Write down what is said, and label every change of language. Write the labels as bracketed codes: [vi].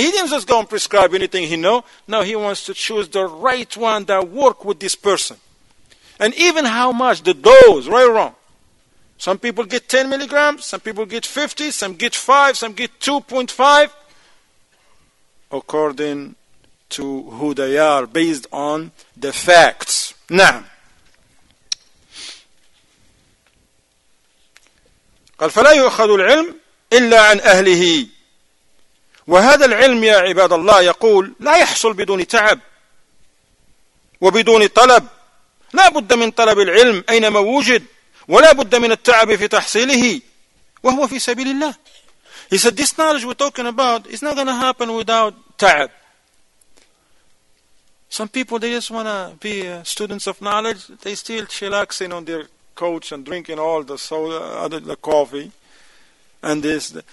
[en] He didn't just go and prescribe anything he knows. No, he wants to choose the right one that work with this person. And even how much, the dose, right or wrong. Some people get 10 milligrams, some people get 50, some get 5, some get 2.5. According to who they are, based on the facts. Now, [ar] قال فلا يؤخذ العلم إلا عن أهله. وهذا العلم يا عباد الله يقول لا يحصل بدون تعب وبدون طلب. لا بد من طلب العلم أينما وجد، ولا بد من التعب في تحصيله وهو في سبيل الله. [en] He said this knowledge we're talking about is not going to happen without تعب. Some people, they just want to be students of knowledge. They still chillaxing on their coach and drinking all the soda, the coffee, and this.